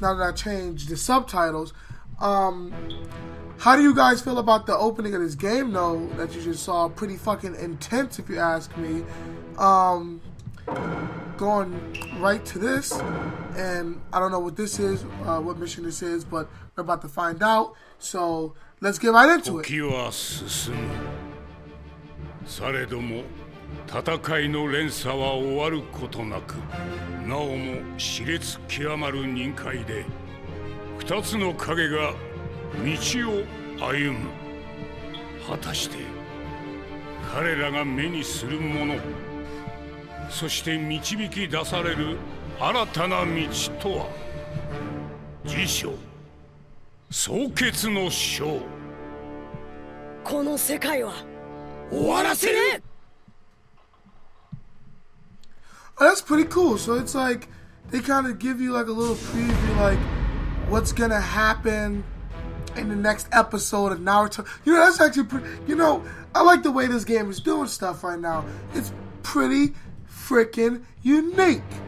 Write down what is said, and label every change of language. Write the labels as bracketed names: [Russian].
[English] Now that I changed the subtitles. How do you guys feel about the opening of this game, though, that you just saw? Pretty fucking intense, if you ask me. Going right to this, and I don't know what this is, what mission this is, but we're about to find out. So, let's get right into it. [Japanese] 時は進む。されども、戦いの連鎖は終わることなく、なおも熾烈極まる忍界で、二つの影が道を歩む。果たして彼らが目にするもの、そして導き出される新たな道とは。辞書、総決の章。この世界は終わらせる。 [English] That's pretty cool. So it's like they kind of give you like a little preview, like what's gonna happen in the next episode of Naruto. You know, that's actually pretty, you know, I like the way this game is doing stuff right now. It's pretty freaking unique.